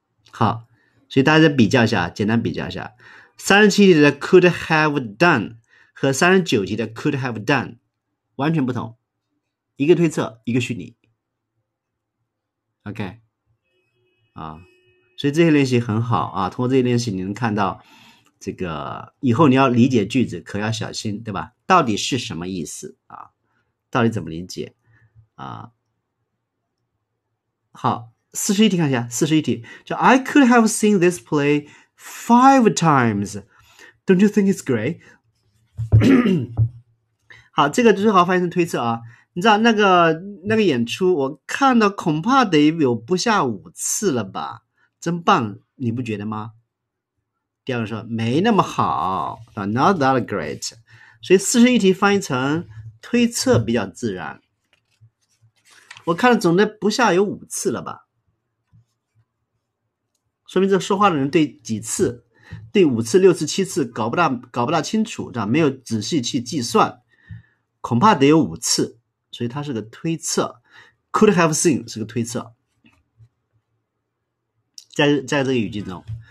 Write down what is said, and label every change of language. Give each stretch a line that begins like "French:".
Chinese: 好，所以大家比较一下，简单比较一下37题的
English: could have done
Chinese: 和39题的 could have done 完全不同，一个推测一个虚拟 OK 啊。所以这些练习很好啊，通过这些练习你能看到这个以后你要理解句子可要小心对吧，到底是什么意思啊，到底怎么理解啊。好，41题看一下，41题叫
English: I could have seen this play 5 times Don't you think it's great?
Chinese: 好，这个最好翻译成推测啊，你知道那个演出我看到恐怕得有不下五次了吧，真棒你不觉得吗？第二个说没那么好，
English: not that great，
Chinese: 所以41题翻译成推测比较自然，我看了总得不下有五次了吧，说明这说话的人对几次，对五次六次七次搞不大清楚，这样没有仔细去计算，恐怕得有五次，所以它是个推测，
English: could have seen
Chinese: 是个推测，在这个语境中。